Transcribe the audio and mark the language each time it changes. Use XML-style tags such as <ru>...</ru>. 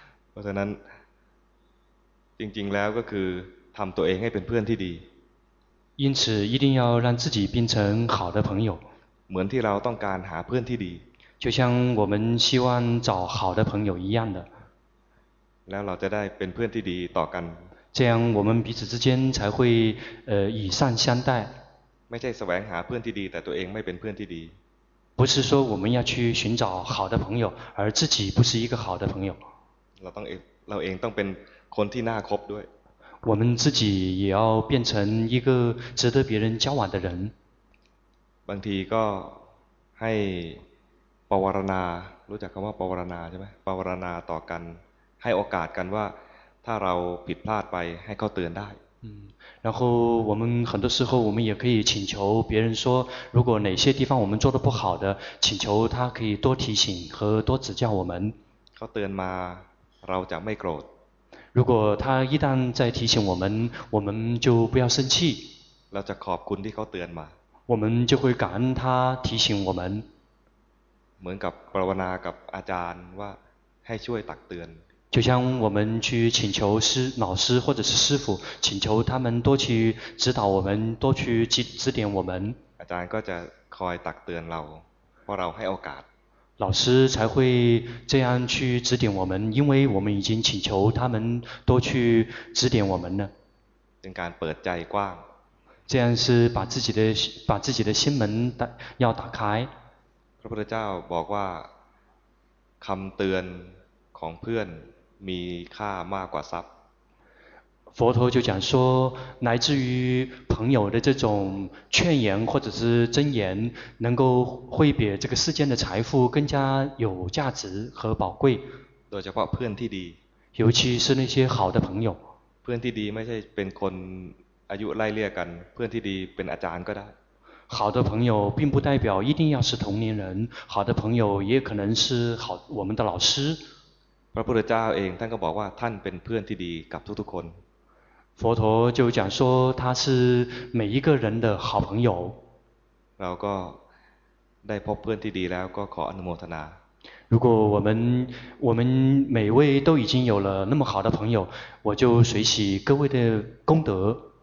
<th>เพราะฉะนั้นจริงๆแล้วก็คือทำตัวเองให้เป็นเพื่อนที่ดี</th> <zh>因此一定要让自己变成好的朋友</zh> <th>เหมือนที่เราต้องการหาเพื่อนที่ดี</th> <zh>就像我们希望找好的朋友一样的</zh> <th>แล้วเราจะได้เป็นเพื่อนที่ดีต่อกัน</th> <zh>这样我们彼此之间才会以善相待</zh> <th>ไม่ใช่แสวงหาเพื่อนที่ดีแต่ตัวเองไม่เป็นเพื่อนที่ดี</th> <zh>不是说我们要去寻找好的朋友而自己不是一个好的朋友</zh> <th>เราเองต้องเป็นคนที่น่าคบด้วย</th> <zh>我们自己也要变成一个值得别人交往的人</zh> <th>บางทีก็ให้ปวารณารู้จักคำว่าปวารณาใช่ไหมปวารณาต่อกันให้โอกาสกันว่าถ้าเราผิดพลาดไปให้เขาเตือนได้</th> <zh>然后我们很多时候我们也可以请求别人说如果哪些地方我们做得不好的请求他可以多提醒和多指教我们</zh> <th>เขาเตือนมาเราจะไม่โกรธ</th> <zh>如果他一旦再提醒我们，我们就不要生气。</zh> <th>เราจะขอบคุณที่เขาเตือนมา。</th> <zh>我们就会感恩他提醒我们。</zh> <th>เหมือนกับภาวนากับอาจารย์ว่าให้ช่วยตักเตือน。</th> <zh>就像我们去请求师老师或者是师父，请求他们多去指导我们，多去指点我们。</zh> <th>อาจารย์ก็จะคอยตักเตือนเราเพราะเราให้โอกาส。</th> <zh>老师才会这样去指点我们，因为我们已经请求他们多去指点我们了。应该</zh> <th>เปิดใจกว้าง。</th> <zh>这样是把自己的心门要打开。</zh> <th>พระพุทธเจ้าบอกว่าคำเตือนของเพื่อนมีค่ามากกว่าทรัพย์。</th> <zh>佛陀就讲说，来自于朋友的这种劝言或者是真言，能够会比这个世间的财富更加有价值和宝贵。</zh> <th>โดยเฉพาะเพื่อนที่ดี。</th> <zh>尤其是那些好的朋友。</zh> <th>เพื่อนที่ดีไม่ใช่เป็นคนอายุไล่เลี่ยกันเพื่อนที่ดีเป็นอาจารย์ก็ได้</th> <zh>好的朋友并不代表一定要是同龄人好的朋友也可能是好我们的老师</zh> <th>พระพุทธเจ้าเองท่านก็บอกว่าท่านเป็นเพื่อนที่ดีกับทุกๆคน</th> <zh>佛陀就讲说他是每一个人的好朋友</zh> <th>เราก็ได้พบเพื่อนที่ดีแล้วก็ขออนุโมทนา</th> <zh>如果我们每位都已经有了那么好的朋友我就随喜各位的功德</zh>